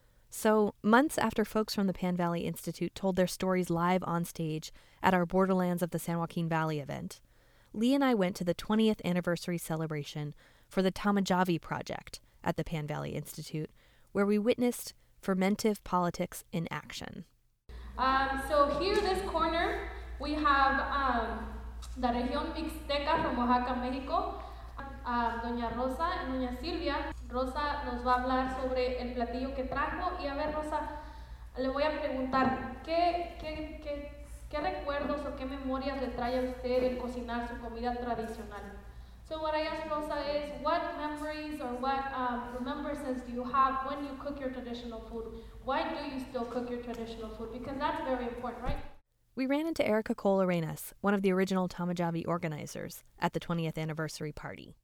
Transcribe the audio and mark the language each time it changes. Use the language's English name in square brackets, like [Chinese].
[English] So, months after folks from the Pan Valley Institute told their stories live on stage at our Borderlands of the San Joaquin Valley event, Lee and I went to the 20th anniversary celebration for the Tamajavi Project at the Pan Valley Institute, where we witnessed Fermentive Politics in Action. So here in this corner, we have the Región Mixteca from Oaxaca, Mexico. Doña Rosa and Doña Silvia. [Spanish] Rosa nos va a hablar sobre el platillo que trajo. Y a ver, Rosa, le voy a preguntar, ¿qué recuerdos o qué memorias le trae a usted el cocinar su comida tradicional? [English] So what I asked Rosa is, what memories or what remembrances do you have when you cook your traditional food? Why do you still cook your traditional food? Because that's very important, right? We ran into Erica Cole Arenas, one of the original Tamajavi organizers, at the 20th anniversary party.